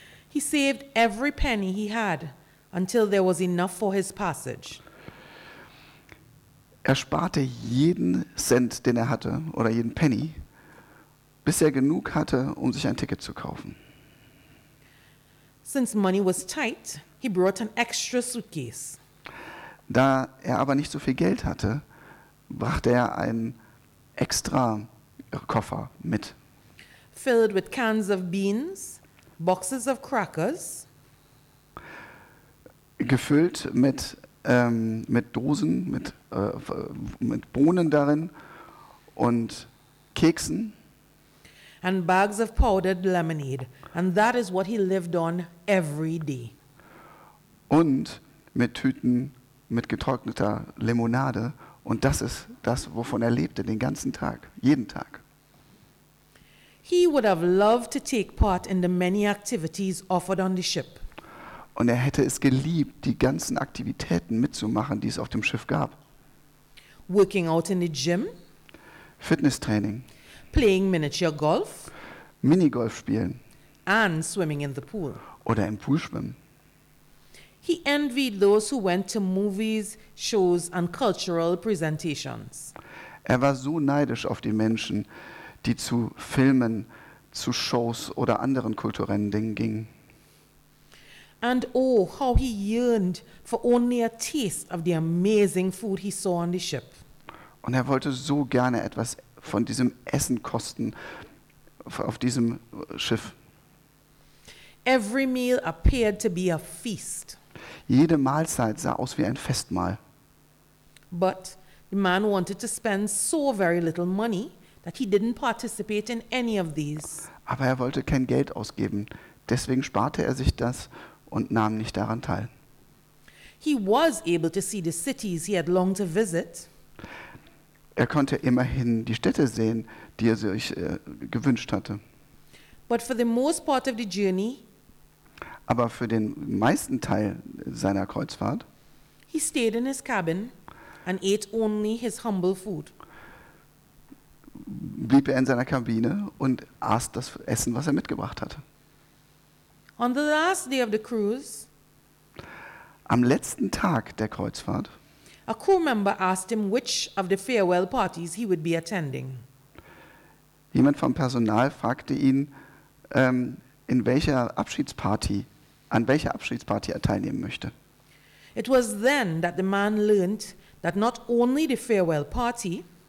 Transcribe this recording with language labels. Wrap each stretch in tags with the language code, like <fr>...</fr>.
<en>He saved every penny he had until there was enough for his passage.</en> <de>Er sparte jeden Cent, den er hatte, oder jeden Penny, bis er genug hatte, um sich ein Ticket zu kaufen.</de> <en>Since money was tight, he brought an extra suitcase.</en> <de>Da er aber nicht so viel Geld hatte, brachte er einen extra Koffer mit.</de> <en>Filled with cans of beans, boxes of crackers.</en> <de>Gefüllt mit Dosen, mit Bohnen darin und Keksen.</de> <en>And bags of powdered lemonade. And that is what he lived on every day.</en> <de>Und mit Tüten mit getrockneter Limonade. Und das ist das, wovon er lebte, den ganzen Tag, jeden Tag.</de> <en>He would have loved to take part in the many activities offered on the ship.</en> <de>Und er hätte es geliebt, die ganzen Aktivitäten mitzumachen, die es auf dem Schiff gab.</de> <en>Working out in the gym.</en> <de>Fitnesstraining.</de> <en>Playing miniature golf.</en> <de>Minigolf spielen.</de> <en>And swimming in the pool.</en> <de>Oder im Pool schwimmen.</de> <en>He envied those who went to movies, shows and cultural presentations.</en> <de>Er war so neidisch auf die Menschen, die zu Filmen, zu Shows oder anderen kulturellen Dingen gingen.</de> <en>And oh, how he yearned for only a taste of the amazing food he saw on the ship.</en> <de>Und er wollte so gerne etwas von diesem Essen kosten auf diesem Schiff.</de> <en>Every meal appeared to be a feast.</en> <de>Jede Mahlzeit sah aus wie ein Festmahl.</de> <en>But the man wanted to spend so very little money that he didn't participate in any of these.</en> <de>Aber er wollte kein Geld ausgeben, deswegen sparte er sich das und nahm nicht daran teil.</de> <en>He was able to see the cities he had longed to visit.</en> <de>Er konnte immerhin die Städte sehen, die er sich gewünscht hatte.</de> <en>But for the most part of the journey,</en> <de>aber für den meisten Teil seiner Kreuzfahrt,</de> <en>he stayed in his cabin and ate only his humble food.</en> <de>Blieb er in seiner Kabine und aß das Essen, was er mitgebracht hatte.</de> <en>On the last day of the cruise,</en> <de>am letzten Tag der Kreuzfahrt,</de> <en>a crew member asked him which of the farewell parties he would be attending.</en> <de>Jemand vom Personal fragte ihn, an welcher Abschiedsparty er teilnehmen möchte.</de> <en>It was then that the man learned that not only the farewell party.</en>